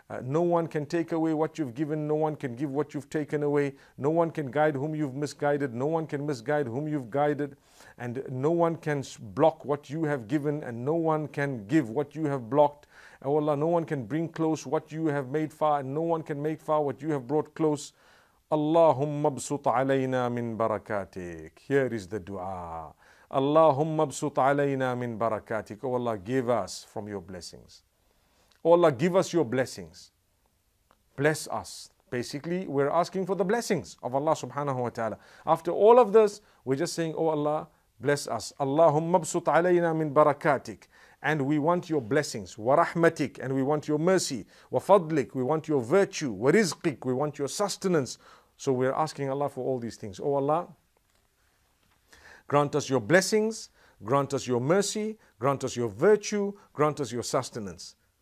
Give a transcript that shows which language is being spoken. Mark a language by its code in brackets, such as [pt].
[en] No one can take away what you've given. No one can give what you've taken away. No one can guide whom you've misguided. No one can misguide whom you've guided. And no one can block what you have given. And no one can give what you have blocked. Oh Allah, no one can bring close what you have made far. And no one can make far what you have brought close. [ar] اللهم ابسط علينا من بركاتك." [en] Here is the dua. [ar] اللهم ابسط علينا من بركاتك. [en] Oh Allah, give us from your blessings. Oh Allah, give us your blessings. Bless us. Basically, we're asking for the blessings of Allah subhanahu wa ta'ala. After all of this, we're just saying, oh Allah, bless us. [ar] اللهم ابسط علينا من بركاتك. [en] And we want your blessings. [ar] ورحمتك. [en] And we want your mercy. [ar] وفضلك. [en] We want your virtue. [ar] ورزقك. [en] We want your sustenance. So we're asking Allah for all these things. Oh Allah, grant us your blessings. Grant us your mercy. Grant us your virtue. Grant us your sustenance.